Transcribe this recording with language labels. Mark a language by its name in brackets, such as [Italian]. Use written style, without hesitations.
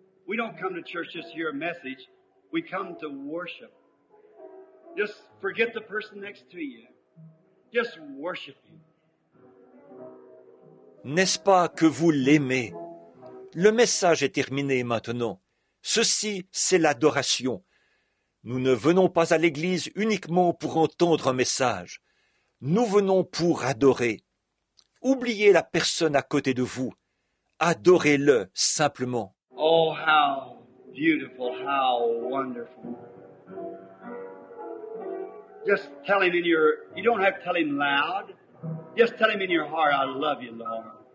[English] We don't come to church just to hear a message. We come to worship. Just forget the person next to you. Just worship him. [French] N'est-ce pas que vous l'aimez? Le message est terminé maintenant. Ceci, c'est l'adoration. Nous ne venons pas à l'église uniquement pour entendre un message. Nous venons pour adorer. Oubliez la personne à côté de vous. Adorez-le simplement. [English] Oh, how beautiful, how wonderful. Just tell him in your, you don't have to tell him loud. Just tell him in your heart, I love you, Lord.